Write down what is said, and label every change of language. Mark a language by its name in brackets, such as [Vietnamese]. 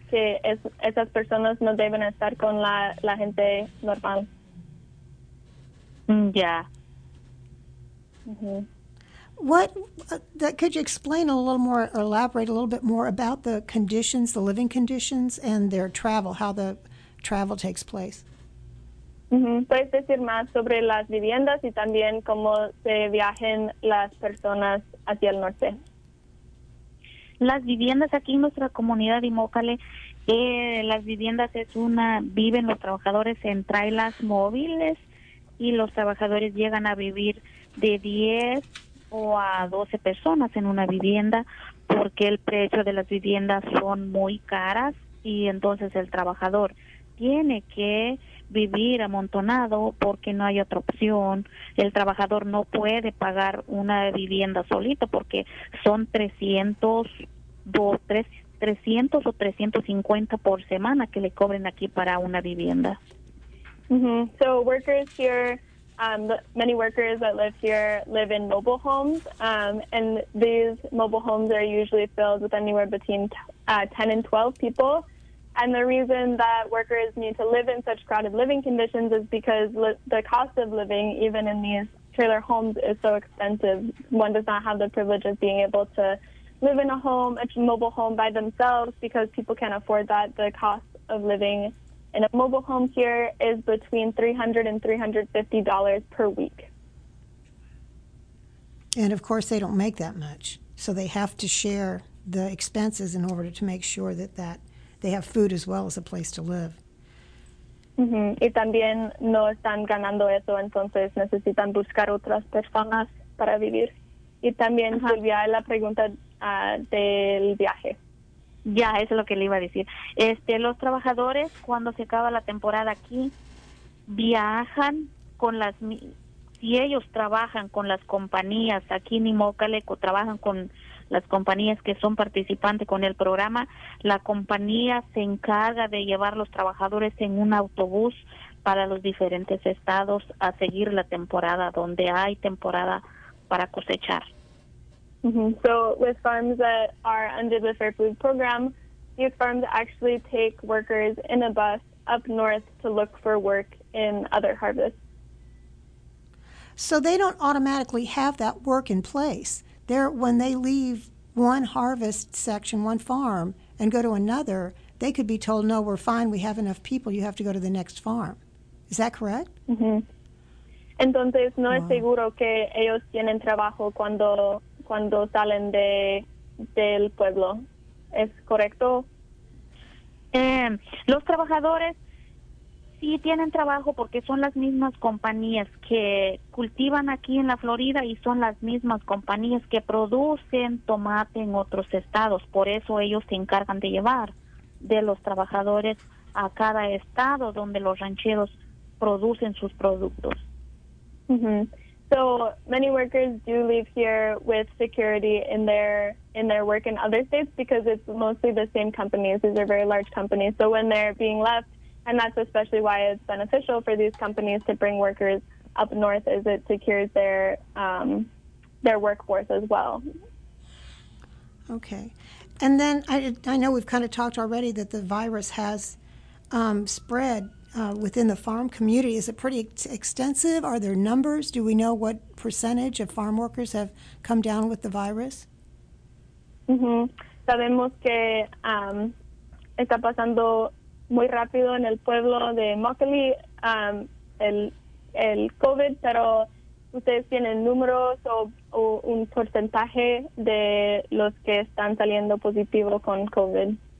[Spanish] Que esas personas no deben estar con la gente normal. [English] Could you explain a little more, or elaborate a little bit more about the conditions, the living conditions, and their travel, how the travel takes place? Mm-hmm. [Spanish] ¿Puedes decir más sobre las viviendas y también cómo se viajen las personas hacia el norte? Las viviendas aquí en nuestra comunidad de Imócale, las viviendas viven los trabajadores en trailers móviles, y los trabajadores llegan a vivir de 10 o a 12 personas en una vivienda, porque el precio de las viviendas son muy caras, y entonces el trabajador tiene que vivir amontonado porque no hay otra opción. El trabajador no puede pagar una vivienda solito porque son 300 o 350 por semana que le cobren aquí para una vivienda. Mm-hmm. [English] So workers here, many workers that live in mobile homes, and these mobile homes are usually filled with anywhere between 10 and 12 people. And the reason that workers need to live in such crowded living conditions is because the cost of living, even in these trailer homes, is so expensive. One does not have the privilege of being able to live in a mobile home by themselves, because people can't afford that. The cost of living in a mobile home here is between $300 and $350 per week. And of course, they don't make that much, so they have to share the expenses in order to make sure that they have food as well as a place to live. Mm-hmm. [Spanish] Y también no están ganando eso, entonces necesitan buscar otras personas para vivir. Y también Silvia, la pregunta del viaje. Ya, eso es lo que le iba a decir. Los trabajadores, cuando se acaba la temporada aquí, viajan con las... Si ellos trabajan con las compañías aquí en Imócale, trabajan con las compañías que son participantes con el programa, la compañía se encarga de llevar los trabajadores en un autobús para los diferentes estados a seguir la temporada, donde hay temporada para cosechar. Mm-hmm. [English] So with farms that are under the Fair Food Program, these farms actually take workers in a bus up north to look for work in other harvests. So they don't automatically have that work in place. When they leave one harvest section, one farm, and go to another, they could be told, no, we're fine, we have enough people, you have to go to the next farm. Is that correct? Mm-hmm. [Spanish] Entonces, no es seguro que ellos tienen trabajo cuando salen del pueblo. ¿Es correcto? Los trabajadores sí tienen trabajo porque son las mismas compañías que cultivan aquí en la Florida y son las mismas compañías que producen tomate en otros estados. Por eso ellos se encargan de llevar de los trabajadores a cada estado donde los rancheros producen sus productos. [English] So many workers do leave here with security in their work in other states because it's mostly the same companies. These are very large companies. So when they're being left, and that's especially why it's beneficial for these companies to bring workers up north, is it secures their workforce as well. Okay. And then I know we've kind of talked already that the virus has spread within the farm community. Is it pretty extensive? Are there numbers? Do we know what percentage of farm workers have come down with the virus? [Spanish] Sabemos que está pasando muy rápido en el pueblo de Mockley el COVID, pero ustedes tienen números o un porcentaje de los que están saliendo positivo con COVID.